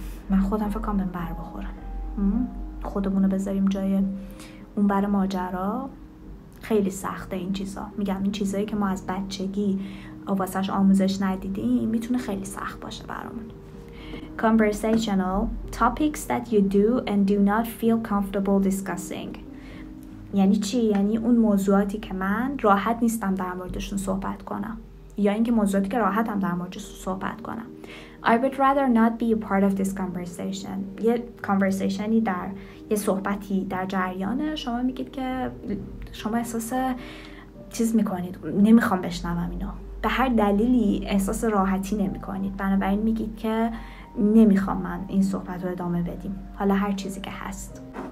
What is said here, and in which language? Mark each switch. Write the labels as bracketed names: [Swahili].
[Persian] من خودم فکر کنم بر بخورم، خودمونو بذاریم جای اون بر ماجرا. خیلی سخته این چیزا. میگم این چیزایی که ما از بچگی واسش آموزش ندیدیم میتونه خیلی سخت باشه برامون. [English] Conversational topics that you do and do not feel comfortable discussing. [Persian] یعنی چی؟ یعنی اون موضوعاتی که من راحت نیستم در موردشون صحبت کنم، یا اینکه موضوعاتی که راحتم در موردشون صحبت کنم. [English] I would rather not be a part of this conversation. [Persian] یه conversationی در یه صحبتی در جریانه، شما میگید که شما احساس چیز میکنید، نمیخوام بشنوم اینو. به هر دلیلی احساس راحتی نمیکنید، بنابراین میگید که نمیخوام من این صحبت رو ادامه بدیم، حالا هر چیزی که هست.